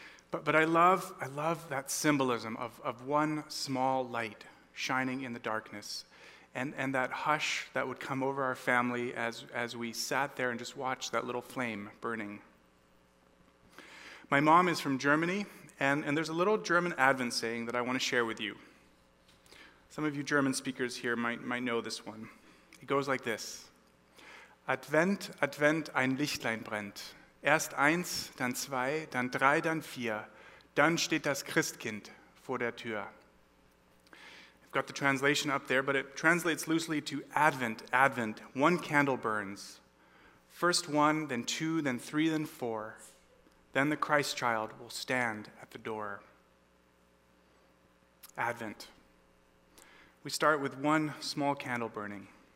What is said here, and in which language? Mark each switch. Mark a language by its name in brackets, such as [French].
[English] But I love that symbolism of one small light shining in the darkness and that hush that would come over our family as we sat there and just watched that little flame burning. My mom is from Germany, and there's a little German Advent saying that I want to share with you. Some of you German speakers here might know this one. It goes like this. [German] Advent, Advent, ein Lichtlein brennt. Erst eins, dann zwei, dann drei, dann vier. Dann steht das Christkind vor der Tür. [English] I've got the translation up there, but it translates loosely to Advent, Advent. One candle burns. First one, then two, then three, then four. Then the Christ child will stand at the door. Advent. We start with one small candle burning.